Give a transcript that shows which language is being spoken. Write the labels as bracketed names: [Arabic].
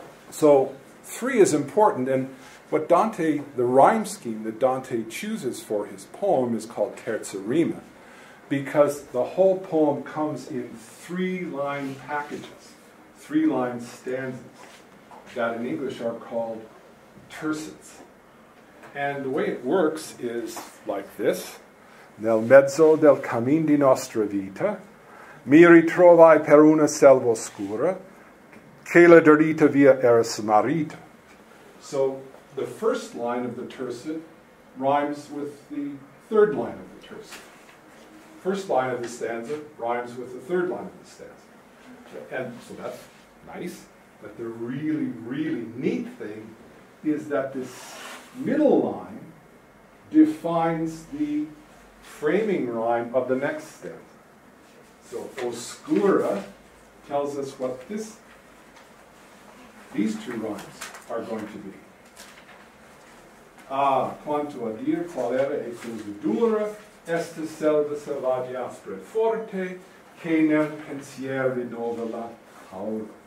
[English] So 3 is important, and what Dante, the rhyme scheme that Dante chooses for his poem is called terza rima, because the whole poem comes in 3-line packages, 3-line stanzas that in English are called tercets. And the way it works is like this. [Italian] Nel mezzo del cammin di nostra vita mi ritrovai per una selva oscura che la dritta via era smarrita. [English] So the first line of the tercet rhymes with the 3rd line of the tercet. First line of the stanza rhymes with the 3rd line of the stanza. And so that's nice. But the really, really neat thing is that this middle line defines the framing rhyme of the next stanza. So oscura tells us what these two rhymes are going to be. [Italian] Ah, quanto a dir qual era e cosa dura, esta selva selvaggia aspra forte, che nel pensier rinnova la paura.